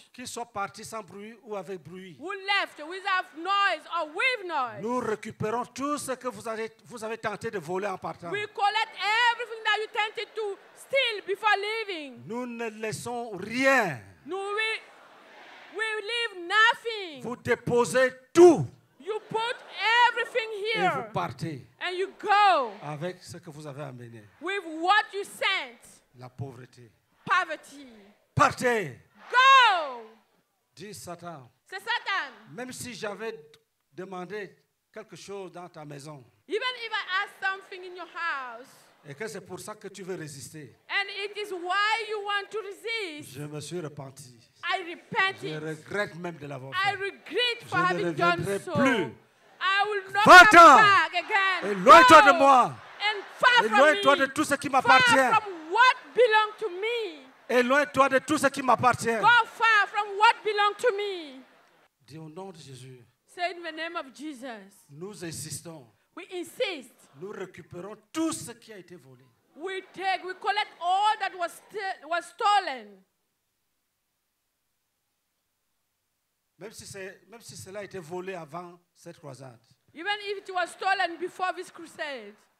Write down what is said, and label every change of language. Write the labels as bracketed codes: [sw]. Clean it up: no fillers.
[fr] Qui soit parti sans bruit ou avec bruit. [en] Who left without noise or with noise. [fr] Nous récupérons tout ce que vous avez tenté de voler en partant. [en] We collect everything that you tempted to steal before leaving. [fr] Nous ne laissons rien. [en] We leave nothing. [fr] Vous déposez tout. [en] You put everything here. [fr] Et vous partez. [en] And you go. [fr] Avec ce que vous avez amené. [en] With what you sent. [fr] La pauvreté. [en] Poverty. [fr] Partez. [en] Go. [fr] Dis Satan. C'est Satan. Même si j'avais demandé quelque chose dans ta maison. [en] Even if I asked something in your house. [fr] Et que c'est pour ça que tu veux résister. [en] And it is why you want to resist. [fr] Je me suis repenti. [en] I repented. [fr] Je regrette même de l'avoir fait. [en] I regret for having done so. [fr] Je ne reviendrai plus. [en] I will not come back again. [fr] Éloigne-toi de moi. [en] And far from me. [fr] Éloigne-toi de tout ce qui m'appartient. [en] Far from what belongs to me. [fr] Éloigne-toi de tout ce qui m'appartient. [en] Go far from what belongs to me. [fr] Dis au nom de Jésus. [en] Say in the name of Jesus. [fr] Nous insistons. [en] We insist. [fr] Nous récupérons tout ce qui a été volé. [en] We take, we collect all that was stolen. [fr] Même si cela a été volé avant cette croisade. [en] Even if it was stolen before this crusade.